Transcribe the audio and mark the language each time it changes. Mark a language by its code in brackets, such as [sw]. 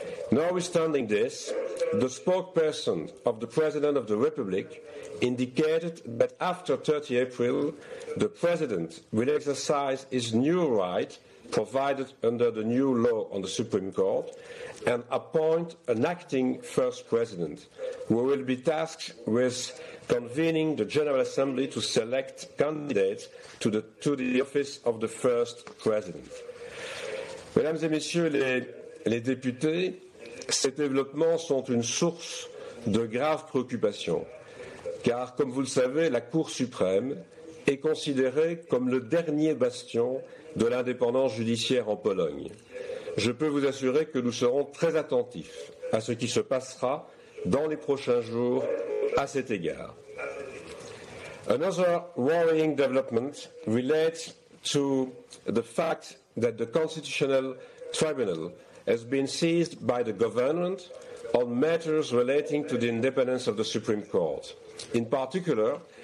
[en] Notwithstanding this, the spokesperson of the President of the Republic indicated that after 30 April, the President will exercise his new right provided under the new law on the Supreme Court and appoint an acting first president who will be tasked with convening the General Assembly to select candidates to the office of the first president. [fr] Mesdames et Messieurs les députés, ces développements sont une source de graves préoccupations, car, comme vous le savez, la Cour suprême est considérée comme le dernier bastion de l'indépendance judiciaire en Pologne. Je peux vous assurer que nous serons très attentifs à ce qui se passera dans les prochains jours à cet égard. [en] Another worrying development relates to the fact that the Constitutional Tribunal has been seized by the government on matters relating to the independence of the Supreme Court. In particular,